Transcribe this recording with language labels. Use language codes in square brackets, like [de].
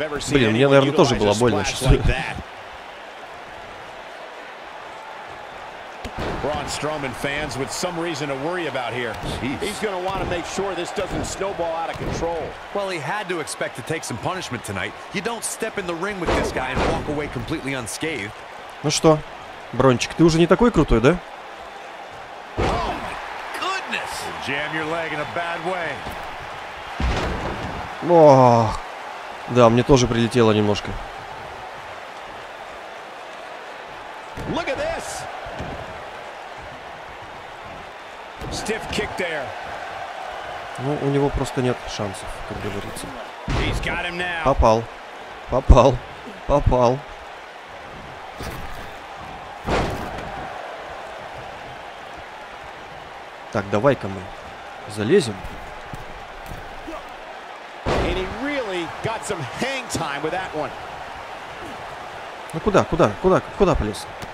[ru] Блин, мне, наверное, тоже было больно сейчас. [en] Braun Strowman fans with some reason to worry about here. Jeez. He's going to want to make sure this doesn't snowball out of control. Well, he had to expect to take some punishment tonight. You don't step in the ring with this guy and walk away completely unscathed. [ru] Ну что, Брончик, ты уже не такой крутой, да? [en] Oh my goodness! Jam your leg in a bad way. [ru] Ох, да, мне тоже прилетело немножко. [en] Look at this. Stiff kick there. [ru] Ну, у него просто нет шансов, как говорится. [en] He's got him now. [ru] Попал. Попал. Попал. Так, давай-ка мы залезем. [en] And he really got some hang time with that one. [ru] Ну куда, куда, куда, куда полез?